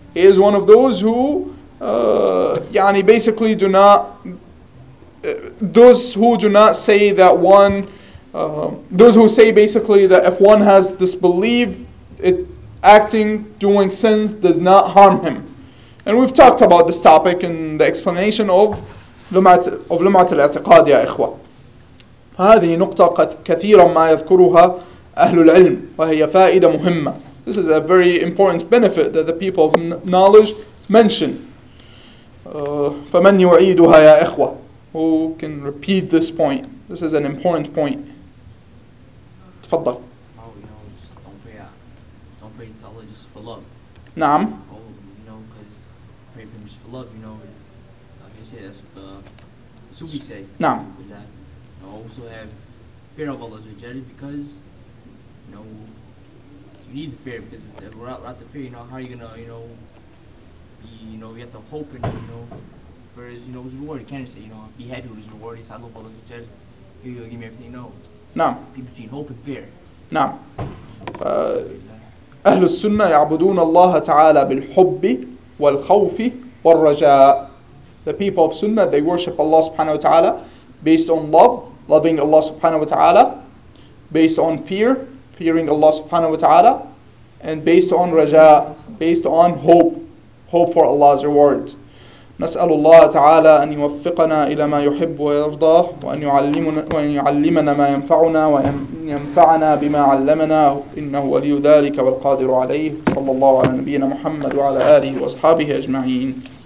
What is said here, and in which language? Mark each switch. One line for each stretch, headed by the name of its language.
English: He is one of those who basically do not, those who do not say that one, those who say basically that if one has this belief, it acting, doing sins does not harm him. And we've talked about this topic in the explanation of Lumat al-Atiqad,
Arabic: ya ikhwa. فهذه نقطة كثيرا ما يذكرها أهل العلم وهي فائدة مهمة.
English: This is a very important benefit that the people of knowledge mention.
Arabic: فمن يعيدها يا إخوة.
English: Who can repeat this point? This is an important point.
Arabic: تفضل.
English: Oh, you know, just don't pray out. Don't pray to Allah just for love.
Arabic: نعم.
English: Oh, you know, because pray for him just for love, you know. Like I say, that's what the Sufi say.
Arabic: نعم.
English: Also have fear of Allah because, you know, you need the fear, because without the fear, you know, how are you gonna, you know, be, you know, you have to hope and, you know, for his, you know, his reward. You can't say, you know, be happy with his reward. He's Allah, Allah, here you go, give me everything, you know. No. People between hope and fear. No.
Arabic: أهل السنة يعبدون الله تعالى بالحب والخوف والرجاء.
English: The people of Sunnah, they worship Allah subhanahu wa ta'ala based on love, loving Allah subhanahu wa ta'ala, based on fear, fearing Allah subhanahu wa ta'ala, and based on raja, based on hope for Allah's reward.
Arabic: نسأل الله تعالى أن يوفقنا إلى ما يحب ويرضى وأن يعلمنا ما ينفعنا وأن ينفعنا بما علمنا إنه ولي ذلك والقادر عليه صلى الله على نبينا محمد وعلى آله وأصحابه أجمعين.